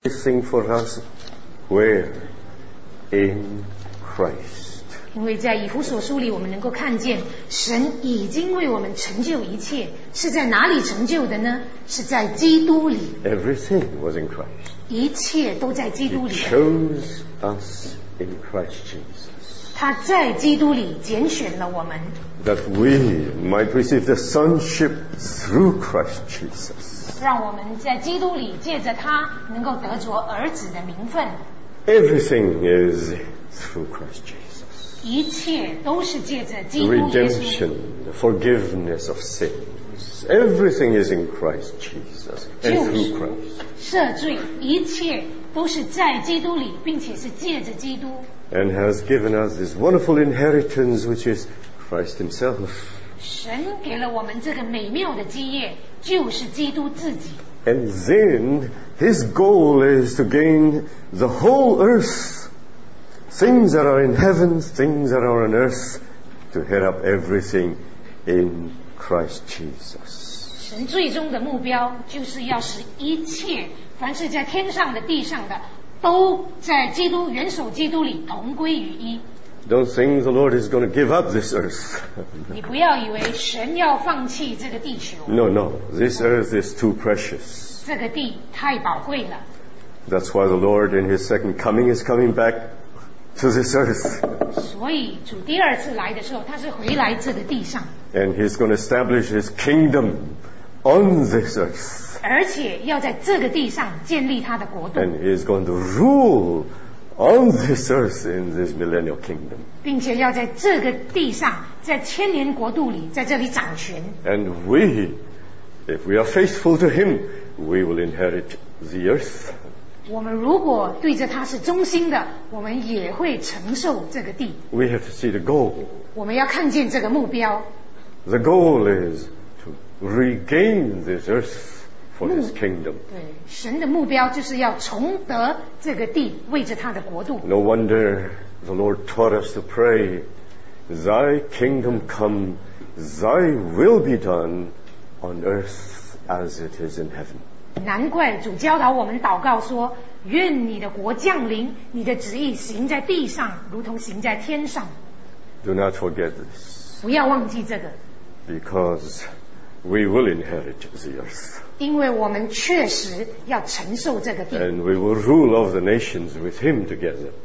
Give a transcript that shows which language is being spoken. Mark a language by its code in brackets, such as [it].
[en] Sing for us where in Christ. [zh] 因为在以弗所书里，我们能够看见神已经为我们成就一切，是在哪里成就的呢？是在基督里。 [en] Everything was in Christ. [zh] 一切都在基督里。 [en] He chose us in Christ Jesus. [zh] 他在基督里拣选了我们。 [en] That we might receive the sonship through Christ Jesus. [zh] 让我们在基督里借着他能够得着儿子的名分。 [en] Everything is through Christ Jesus. [zh] 一切都是借着基督耶稣。 [en] The redemption, the forgiveness of sins. Everything is in Christ Jesus and through Christ. [zh] 赦罪，一切都是在基督里，并且是借着基督。 [en] And has given us this wonderful inheritance, which is Christ Himself. [zh] 神给了我们这个美妙的基业，就是基督自己。 [en] And then his goal is to gain the whole earth, things that are in heaven, things that are on earth, to head up everything in Christ Jesus. [zh] 神最终的目标就是要使一切，凡是在天上的、地上的，都在基督元首基督里同归于一。 [en] Don't think the Lord is going to give up this earth. [zh] 你不要以为神要放弃这个地球。 [en] No, no. This earth is too precious. [zh] 这个地太宝贵了。 [en] That's why the Lord in his second coming is coming back to this earth. [zh] 所以主第二次来的时候，他是回来这个地上。 [en] And he's going to establish his kingdom on this earth. [zh] 而且要在这个地上建立他的国度。 [en] And he's going to rule. On this earth, in this millennial kingdom, [zh] 并且要在这个地上，在千年国度里，在这里掌权。 [en] And we, if we are faithful to Him, we will inherit the earth. [zh] 我们如果对着他是忠心的，我们也会承受这个地。 [en] We have to see the goal. [zh] 我们要看见这个目标。 [en] The goal is to regain this earth. For his kingdom. [zh] 对，神的目标就是要重得这个地，为着他的国度。 [en] No wonder the Lord taught us to pray, Thy kingdom come, Thy will be done on earth as it is in heaven. [zh] 难怪主教导我们祷告说，愿你的国降临，你的旨意行在地上，如同行在天上。 [en] Do not forget this. [zh] 不要忘记这个。 [en] Because we will inherit the earth. [zh] 因为我们确实要承受这个地。 [en] And we will rule over the nations with him together.